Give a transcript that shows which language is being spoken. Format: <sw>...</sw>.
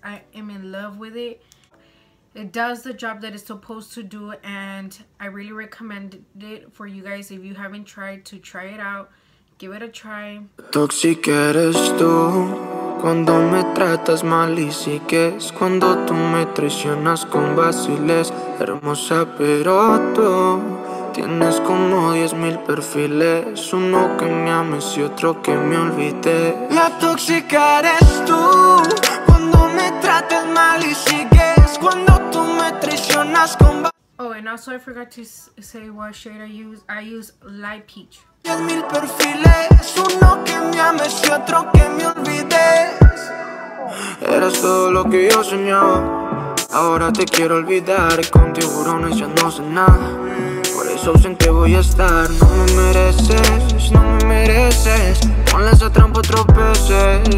<en>I am in love with it. It does the job that it's supposed to do, and I really recommend it for you guys if you haven't tried to try it out. Give it a try.</en> <es>Toxic eres tú cuando me tratas mal y sigues. Cuando tú me traicionas con vaciles, hermosa, pero tú tienes como 10,000 perfiles. Uno que me ames y otro que me olvide. La tóxica eres tú cuando me tratas mal y sigues. Cuando tú me traicionas con vaciles.</es> <en>Oh, and also I forgot to say what shade I use. I use Light Peach.</en> <es>10,000 perfiles, uno que me ames y otro que me olvides. Eras todo lo que yo soñaba. Ahora te quiero olvidar. Con tiburones ya no sé nada. Por eso ausente voy a estar. No me mereces, no me mereces. Con esa trampa tropeces.</es>